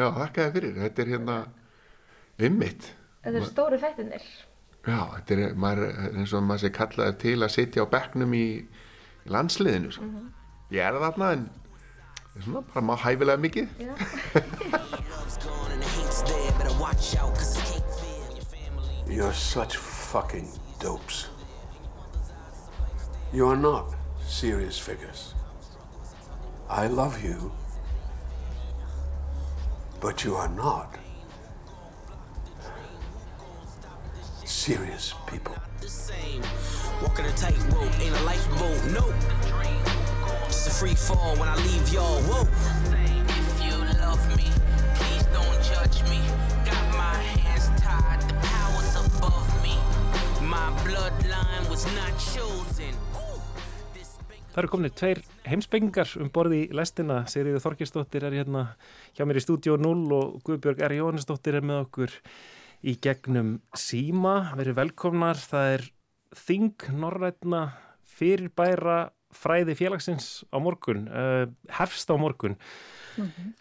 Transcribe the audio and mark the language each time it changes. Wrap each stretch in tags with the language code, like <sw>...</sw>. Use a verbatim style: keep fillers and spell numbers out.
<is>Já, þakka þér fyrir. Þetta er hérna einmitt. Þetta eru stóru þættirnir. Já, þetta er maður, eins og maður sé kallaður til að sitja á bekknum í, í landsliðinu. Sko. Mm-hmm. Ég er þarna en svona bara má hæfilega mikið.</is> <en>You're such fucking dopes. You are not serious figures. I love you, but you are not serious people. Walking a tightrope in a lifeboat, nope. Just a free fall when I leave y'all, whoa. If you love me, please don't judge me. Got my hands tied, the powers above me. My bloodline was not chosen.</en> <is>Það eru komin tveir heimsbyggingar um borði í lestina. Sigríður Þorgeirsdóttir er hérna hjá mér í Stúdíó núll og Guðbjörg R. Jóhannesdóttir er með okkur í gegnum síma. Verið velkomnar. Það er þing norrænna fyrirbæra fræði félagsins á morgun, uh, hefst á morgun. Mm-hmm.</is>